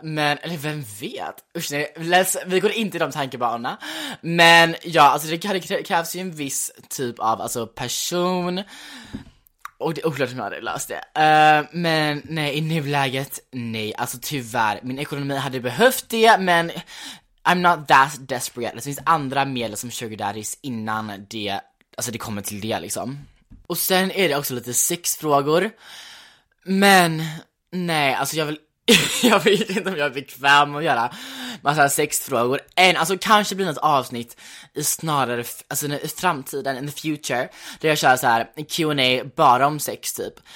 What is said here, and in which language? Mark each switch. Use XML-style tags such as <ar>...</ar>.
<sv>Men, eller vem vet. Usch, nej, vi går inte i de tankebanorna. Men ja, alltså det krävs ju en viss typ av, alltså, person. Och det är oklart om jag hade löst det. Men nej, i nuläget, nej. Alltså tyvärr, min ekonomi hade behövt det.</sv> <en>Men I'm not that desperate.</en> <sv>Det finns andra medel som sugar daddies innan det, alltså det kommer till det liksom. Och sen är det också lite sexfrågor. Men nej, alltså jag vet inte om jag är bekväm att göra massa sexfrågor. En, alltså kanske blir något avsnitt i snarare, alltså i framtiden,</sv> <en>in the future,</en> <sv>där jag kör så här Q&A bara om sex typ.</sv>